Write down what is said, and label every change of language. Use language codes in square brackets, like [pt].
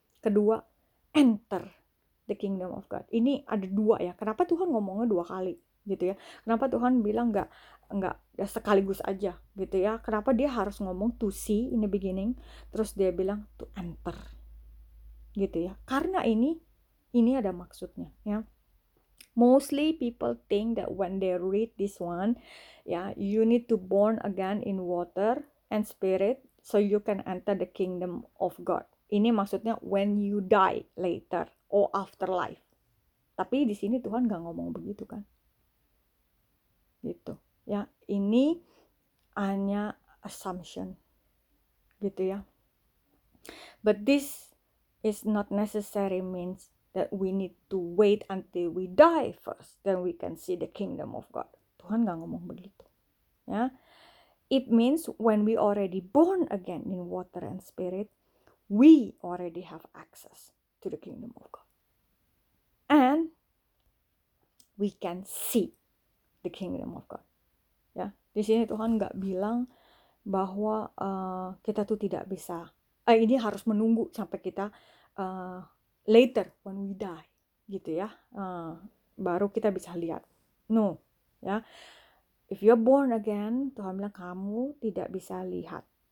[id] Kedua, [en] enter the kingdom of God. [id] Ini ada dua ya. Kenapa Tuhan ngomongnya dua kali gitu ya? Kenapa Tuhan bilang enggak ya sekaligus aja gitu ya? Kenapa dia harus ngomong [en] to see in the beginning, [id] terus dia bilang [en] to enter [id] gitu ya? Karena ini ada maksudnya ya. [en] Mostly people think that when they read this one, ya, you need to born again in water and spirit so you can enter the kingdom of God. [id] Ini maksudnya [en] when you die later or afterlife. [id] Tapi di sini Tuhan enggak ngomong begitu kan. Gitu. Ya, ini hanya assumption. Gitu ya. [en] But this is not necessary means that we need to wait until we die first then we can see the kingdom of God. [id] Tuhan enggak ngomong begitu. Ya. [en] It means when we already born again in water and spirit, we already have access to the kingdom of God. And we can see the kingdom of God. [id] Ya, di sini Tuhan enggak bilang bahwa kita tuh tidak bisa. Ini harus menunggu sampai kita [en] later when we die [id] gitu ya. Baru kita bisa lihat. No, ya. [en] If you're born again, [id] Tuhan bilang kamu tidak bisa lihat.